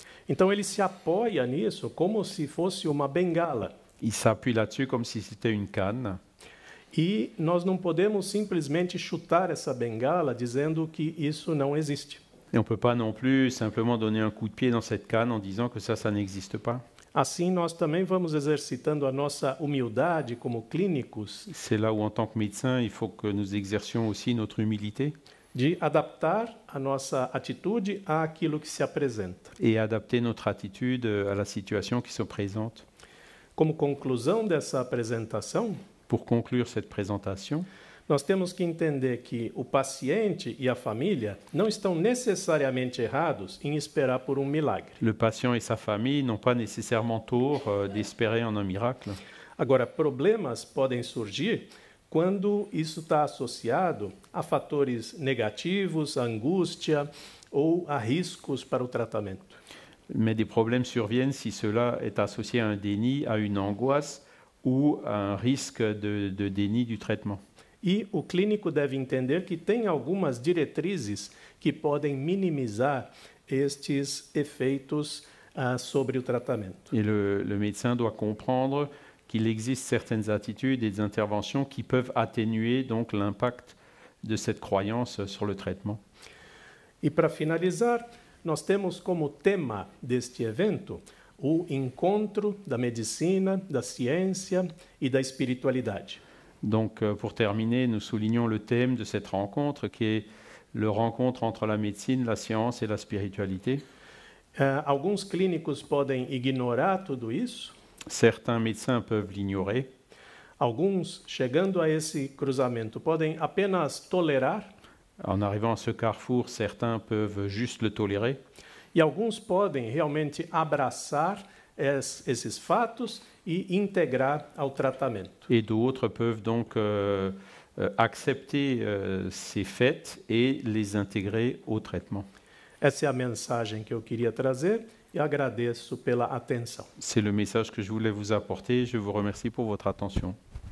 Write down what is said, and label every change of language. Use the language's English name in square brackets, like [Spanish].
[Portuguese] Então ele se apoia nisso como se fosse uma bengala. [French] Il s'appuie là-dessus comme si c'était une canne. [Portuguese] E nós não podemos simplesmente chutar essa bengala dizendo que isso não existe. [French] Et on peut pas non plus simplement donner un coup de pied dans cette canne en disant que ça n'existe pas. [Portuguese] Assim, nós também vamos exercitando a nossa humildade como clínicos. [French] C'est là où, en tant que médecin, il faut que nous exercions aussi notre humilité. [Portuguese] De adaptar a nossa atitude àquilo que se apresenta. [French] Et adapter notre attitude à la situation qui se présente. [Portuguese] Como conclusão dessa apresentação. [French] Pour conclure cette présentation. [Portuguese] Nós temos que entender que o paciente e a família não estão necessariamente errados em esperar por milagre. [French] Le patient et sa famille n'ont pas nécessairement tort d'espérer en un miracle. [Portuguese] Agora, problemas podem surgir quando isso está associado a fatores negativos, angústia ou a riscos para o tratamento. [French] Mais des problèmes surviennent si cela est associé à un déni, à une angoisse ou à un risque de déni du traitement. [Portuguese] E o clínico deve entender que tem algumas diretrizes que podem minimizar estes efeitos sobre o tratamento. [French] Et le médecin doit comprendre qu'il existe certaines attitudes et des interventions qui peuvent atténuer donc l'impact de cette croyance sur le traitement. [Portuguese] E para finalizar, nós temos como tema deste evento o encontro da medicina, da ciência e da espiritualidade. [French] Donc, pour terminer, nous soulignons le thème de cette rencontre, qui est le rencontre entre la médecine, la science et la spiritualité. [Portuguese] Alguns clínicos podem ignorar tudo isso. [French] Certains médecins peuvent l'ignorer. [Portuguese] Alguns, chegando a esse cruzamento, podem apenas tolerar. [French] En arrivant à ce carrefour, certains peuvent juste le tolérer. [Portuguese] E alguns podem realmente abraçar esses fatos e integrar ao tratamento. [French] Et d'autres peuvent donc accepter ces faits et les intégrer au traitement. [Portuguese] Essa é a mensagem que eu queria trazer e agradeço pela atenção. [French] C'est le message que je voulais vous apporter, je vous remercie pour votre attention.